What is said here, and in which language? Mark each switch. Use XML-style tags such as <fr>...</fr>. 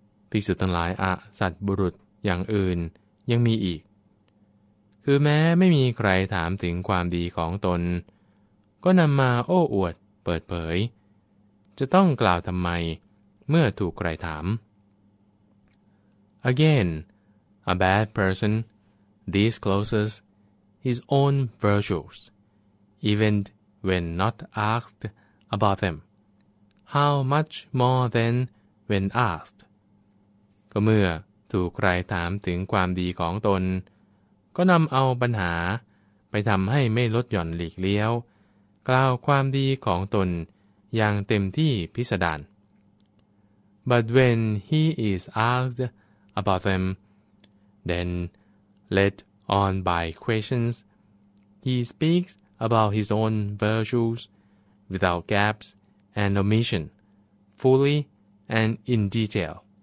<th>ภิกษุทั้งหลายอสัตบุรุษอย่างอื่นยังมีอีกคือแม้ไม่มีใครถามถึงความดีของตนก็นำมาโอ้อวดเปิดเผยจะต้องกล่าวทำไมเมื่อถูกใครถาม</th> <en>Again, a bad person discloses his own virtues. Even when not asked about them, how much more than when asked?</en> <th>ก็เมื่อถูกใครถามถึงความดีของตนก็นำเอาปัญหาไปทำให้ไม่ลดหย่อนหลีกเลี้ยวกล่าวความดีของตนอย่างเต็มที่พิสดาร</th> <en>But when he is asked about them, then led on by questions, he speaksabout his own virtues, without gaps and omission, fully and in detail.</en>